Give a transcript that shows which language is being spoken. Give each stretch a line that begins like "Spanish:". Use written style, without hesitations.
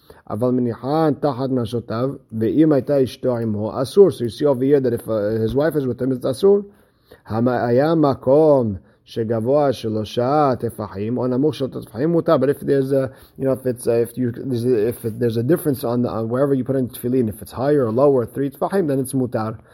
Hebrew: אבל מניחן תחת נשותיו, ואם הייתה אשתו עמו, אסור.
English: So you see over here that if his wife is with him, it's אסור.
Hebrew: היה מקום שגבוה שלושה תפחים, או נמוך שלושה תפחים מותר.
English: But if there's a, you know, if there's a difference on the, wherever you put in tefillin, if it's higher or lower, three תפחים, then it's מותר.